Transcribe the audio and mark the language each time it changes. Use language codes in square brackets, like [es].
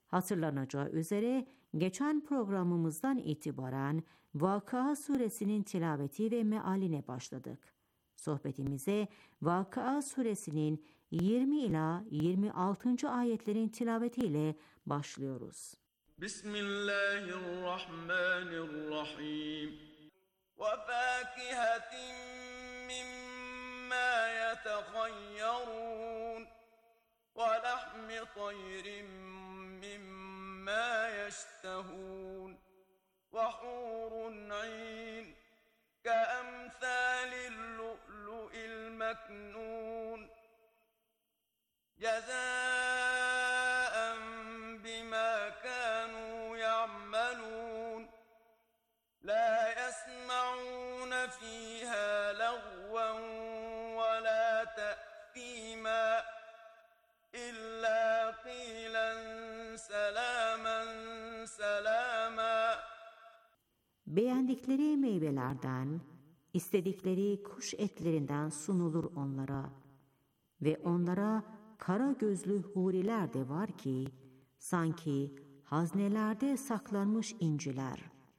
[tr] Hatırlanacağı üzere geçen programımızdan itibaren Vakıa suresinin tilaveti ve mealine başladık. Sohbetimize Vakıa suresinin 20 ila 26. ayetlerin tilavetiyle başlıyoruz. [ar] بسم الله الرحمن الرحيم وفاكهة مما يتخيرون ولحم طير مما يشتهون وحور عين كأمثال اللؤلؤ المكنون جزاء بما كانوا يعملون لا يسمعون فيها لغوا ولا تأثيما إلا قيلا سلاما سلاما. [tr] Beğendikleri meyvelerden, istedikleri kuş etlerinden sunulur onlara ve onlara kara gözlü huriler de var ki sanki haznelerde saklanmış inciler.